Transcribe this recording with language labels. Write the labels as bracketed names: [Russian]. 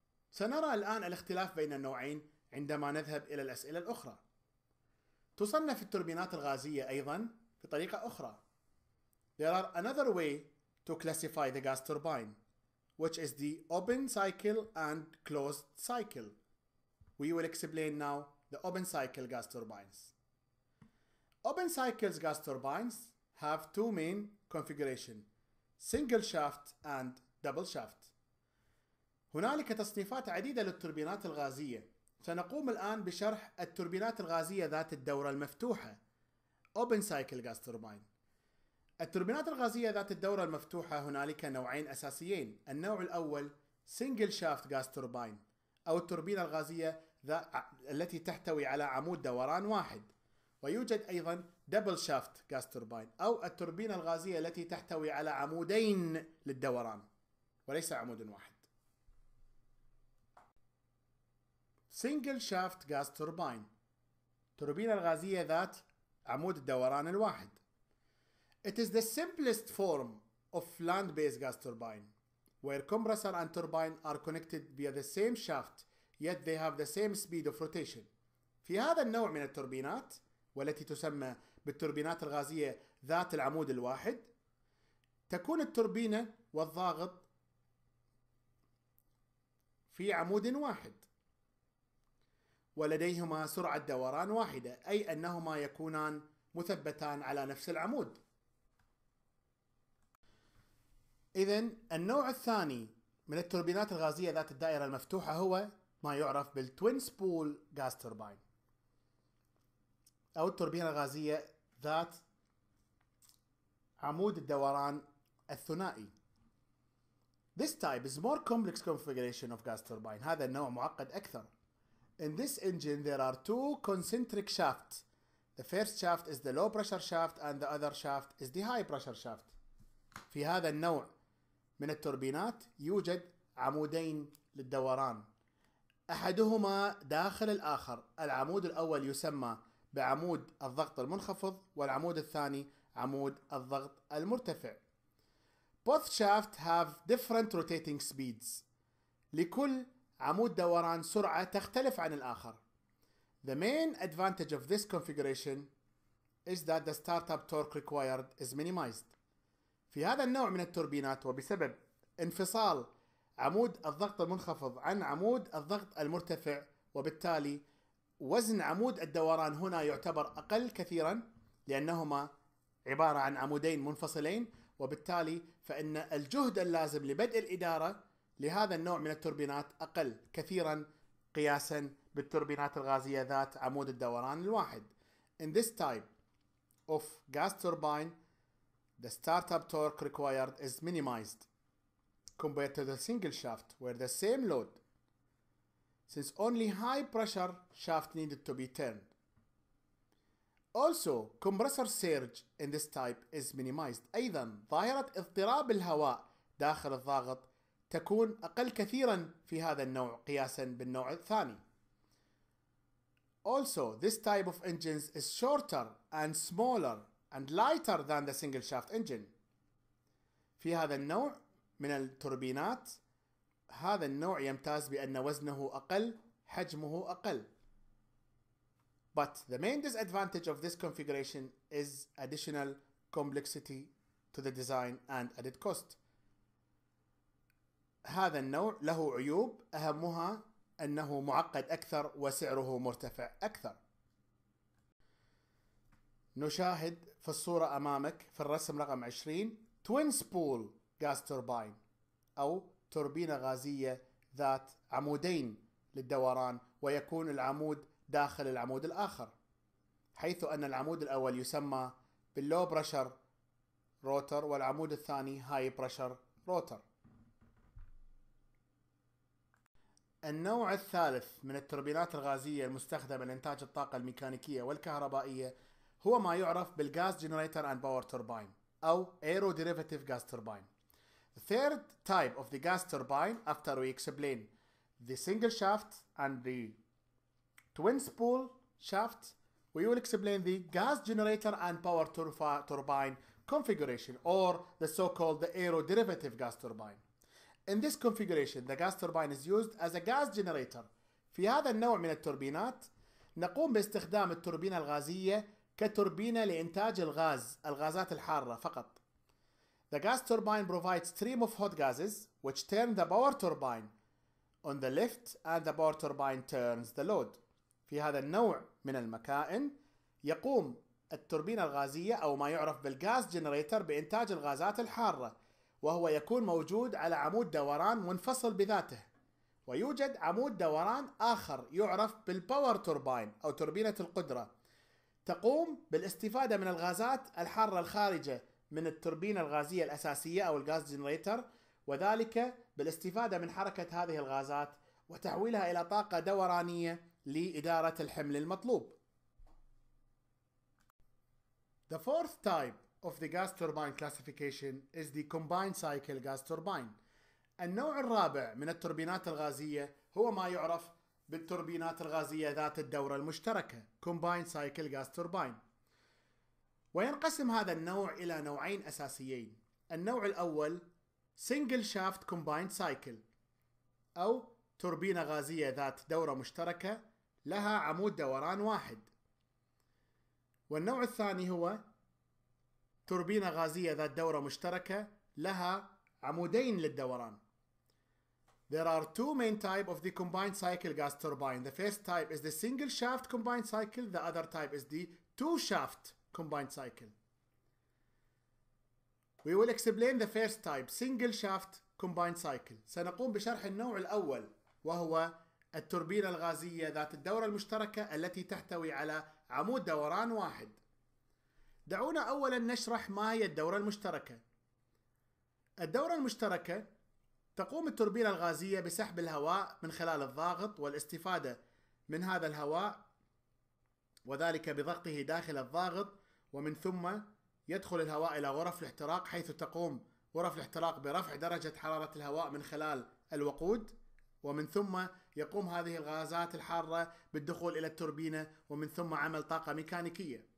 [Arabic] سنرى الآن الاختلاف بين النوعين عندما نذهب إلى الأسئلة الأخرى. تصنف التوربينات الغازية أيضاً بطريقة أخرى. [English] There are another way to classify the gas turbine, which is the open cycle and closed cycle. We will explain now the open cycle gas turbines. Open cycles gas turbines have two main configurations. single shaft and double shaft. [Arabic] هنالك تصنيفات عديدة للتوربينات الغازية. سنقوم الآن بشرح التوربينات الغازية ذات الدورة المفتوحة [English] open cycle gas turbine. [Arabic] التوربينات الغازية ذات الدورة المفتوحة هنالك نوعين أساسيين. النوع الأول [English] single shaft gas turbine [Arabic] أو التوربينة الغازية التي تحتوي على عمود دوران واحد. ويوجد أيضا [English] double shaft gas turbine [Arabic] أو التوربينة الغازية التي تحتوي على عمودين للدوران وليس عمود واحد. [English] single shaft gas turbine [Arabic] توربينة الغازية ذات عمود الدوران الواحد. [English] It is the simplest form of land-based gas turbine where compressor and turbine are connected via the same shaft yet they have the same speed of rotation. [Arabic] في هذا النوع من التوربينات والتي تسمى بالتوربينات الغازية ذات العمود الواحد تكون التوربينة والضاغط في عمود واحد ولديهما سرعة دوران واحدة أي أنهما يكونان مثبتان على نفس العمود. إذن النوع الثاني من التوربينات الغازية ذات الدائرة المفتوحة هو ما يعرف [English] بالتوين سبول غاز توربين [Arabic] أو التوربينة الغازية ذات عمود الدوران الثنائي. [English] This type is more complex configuration of gas turbine. [Arabic] هذا النوع معقد أكثر. [English] In this engine there are two concentric shafts. The first shaft is the low pressure shaft and the other shaft is the high pressure shaft. [Arabic] في هذا النوع من التوربينات يوجد عمودين للدوران. أحدهما داخل الآخر. العمود الأول يسمى بعمود الضغط المنخفض والعمود الثاني عمود الضغط المرتفع. [English] Both shafts have different rotating speeds. [Arabic] لكل عمود دوران سرعة تختلف عن الآخر. [English] The main advantage of this configuration is that the startup torque required is minimized. [Arabic] في هذا النوع من التوربينات وبسبب انفصال عمود الضغط المنخفض عن عمود الضغط المرتفع وبالتالي وزن عمود الدوران هنا يعتبر أقل كثيرا لأنهما عبارة عن عمودين منفصلين وبالتالي فإن الجهد اللازم لبدء الإدارة لهذا النوع من التوربينات أقل كثيرا قياسا بالتوربينات الغازية ذات عمود الدوران الواحد. [English] In this type of gas turbine the startup torque required is minimized compared to the single shaft where the same load since only high pressure shaft needed to be turned. Also compressor surge in this type is minimized. [Arabic] أيضا ظاهرة اضطراب الهواء داخل الضاغط تكون أقل كثيرا في هذا النوع قياسا بالنوع الثاني. [English] Also this type of engines is shorter and smaller and lighter than the single shaft engine. [Arabic] في هذا النوع من التوربينات هذا النوع يمتاز بأن وزنه أقل حجمه أقل. [English] But the main disadvantage of this configuration is additional complexity to the design and added cost. [Arabic] هذا النوع له عيوب أهمها أنه معقد أكثر وسعره مرتفع أكثر. نشاهد في الصورة أمامك في الرسم رقم 20 [English] Twin Spool Gas Turbine [Arabic] أو توربينة غازية ذات عمودين للدوران ويكون العمود داخل العمود الآخر حيث أن العمود الأول يسمى [English] باللو pressure rotor [Arabic] والعمود الثاني [English] High pressure rotor. [Arabic] النوع الثالث من التوربينات الغازية المستخدمة لإنتاج الطاقة الميكانيكية والكهربائية هو ما يعرف [English] بالغاز generator and power turbine [Arabic] أو [English] Aeroderivative غاز turbine. The third type of the gas turbine after we explain the single shaft and the twin spool shaft, we will explain the gas generator and power turbine configuration or the so-called aeroderivative gas turbine. In this configuration, the gas turbine is used as a gas generator. [Arabic] في هذا النوع من التوربينات نقوم باستخدام التوربينة الغازية كتوربينة لإنتاج الغاز الغازات الحارة فقط. [English] The gas turbine provides stream of hot gases which turn the power turbine on the lift and the power turbine turns the load. [Arabic] في هذا النوع من المكائن يقوم التوربينة الغازية أو ما يعرف [English] بالغاز جنريتر [Arabic] بإنتاج الغازات الحارة وهو يكون موجود على عمود دوران منفصل بذاته، ويوجد عمود دوران آخر يعرف [English] بالباور توربين [Arabic] أو توربينة القدرة، تقوم بالاستفادة من الغازات الحارة الخارجة من التوربينة الغازية الأساسية أو [English] الغاز جنريتر، [Arabic] وذلك بالاستفادة من حركة هذه الغازات وتحويلها إلى طاقة دورانية لإدارة الحمل المطلوب. [English] The fourth type of the gas turbine classification is the combined cycle gas turbine. [Arabic] النوع الرابع من التوربينات الغازية هو ما يعرف بالتوربينات الغازية ذات الدورة المشتركة [English] combined cycle gas turbine. [Arabic] وينقسم هذا النوع إلى نوعين أساسيين. النوع الأول [English] single shaft combined cycle [Arabic] أو توربينة غازية ذات دورة مشتركة لها عمود دوران واحد، والنوع الثاني هو توربينة غازية ذات دورة مشتركة لها عمودين للدوران. [English] There are two main types of the combined cycle gas turbine. The first type is the single shaft combined cycle. The other type is the two shaft combined cycle. We will explain the first type, single shaft combined cycle. [Arabic] سنقوم بشرح النوع الأول وهو التوربينة الغازية ذات الدورة المشتركة التي تحتوي على عمود دوران واحد. دعونا أولا نشرح ما هي الدورة المشتركة. الدورة المشتركة تقوم التوربينة الغازية بسحب الهواء من خلال الضاغط والاستفادة من هذا الهواء، وذلك بضغطه داخل الضاغط، ومن ثم يدخل الهواء إلى غرف الاحتراق، حيث تقوم غرف الاحتراق برفع درجة حرارة الهواء من خلال الوقود، ومن ثم يقوم هذه الغازات الحارة بالدخول إلى التوربينة، ومن ثم عمل طاقة ميكانيكية.